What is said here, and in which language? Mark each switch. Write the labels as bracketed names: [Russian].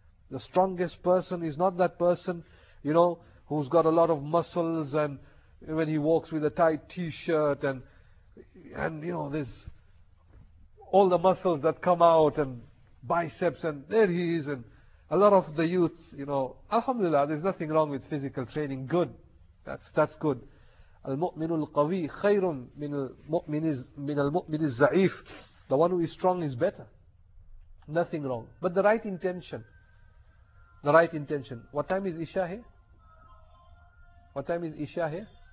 [English] The strongest person is not that person, you know, who's got a lot of muscles and when he walks with a tight t-shirt and you know, there's all the muscles that come out and biceps and there he is. And a lot of the youth, you know, alhamdulillah, there's nothing wrong with physical training. Good. That's good. [Arabic] المؤمن القوي خير من المؤمن الزعيف. [English] The one who is strong is better. Nothing wrong. But the right intention. the right intention. What time is Isha here? What time is Isha here?